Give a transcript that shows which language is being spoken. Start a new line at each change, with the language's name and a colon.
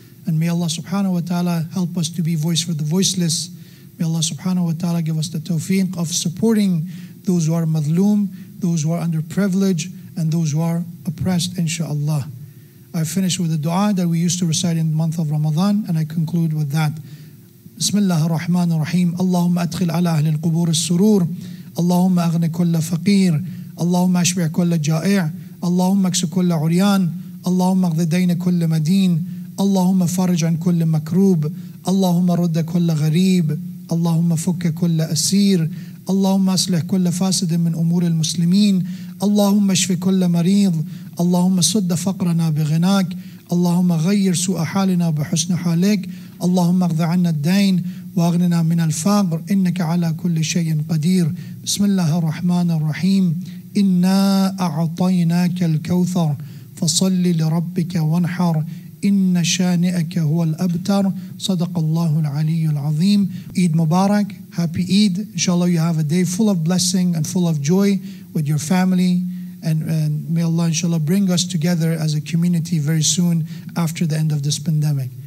English: And may Allah subhanahu wa ta'ala help us to be voice for the voiceless. May Allah subhanahu wa ta'ala give us the tawfiq of supporting those who are madhloom, those who are underprivileged, and those who are oppressed, inshallah. I finish with a dua that we used to recite in the month of Ramadan, and I conclude with that.
Arabic: بسم الله الرحمن الرحيم اللهم أدخل على أهل القبور السرور اللهم أغن كل فقير اللهم أشبع كل جائع اللهم أكس كل عريان اللهم أقض دين كل مدين اللهم فرج عن كل مكروب اللهم رد كل غريب اللهم فك كل أسير اللهم أصلح كل فاسد من أمور المسلمين اللهم اشف كل مريض اللهم سد فقرنا بغناك اللهم غير سوء حالنا بحسن حالك اللهم اغض عنا الدين واغننا من الفقر إنك على كل شيء قدير بسم الله الرحمن الرحيم إنا أعطيناك الكوثر فصل لربك وانحر إن شانئك هو الأبتر صدق الله العلي العظيم.
English: Eid Mubarak, happy Eid. Inshallah you have a day full of blessing and full of joy with your family. And may Allah inshallah bring us together as a community very soon after the end of this pandemic.